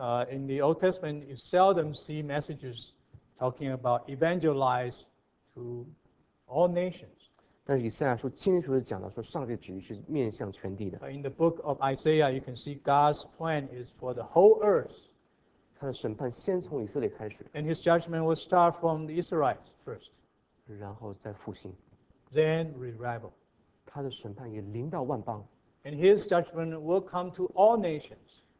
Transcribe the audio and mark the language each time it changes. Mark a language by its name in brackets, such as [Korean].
[English] In the Old Testament, you seldom see messages talking about evangelize to all nations. [Chinese] 但是以赛亚书清楚地讲到说，上帝旨意是面向全地的。 [English] In the book of Isaiah, you can see God's plan is for the whole earth. [Chinese] 他的审判先从以色列开始。 [English] And his judgment will start from the Israelites first. [Chinese] 然后再复兴。 [English] Then revival. [Chinese] 他的审判也临到万邦。 [English] And his judgment will come to all nations.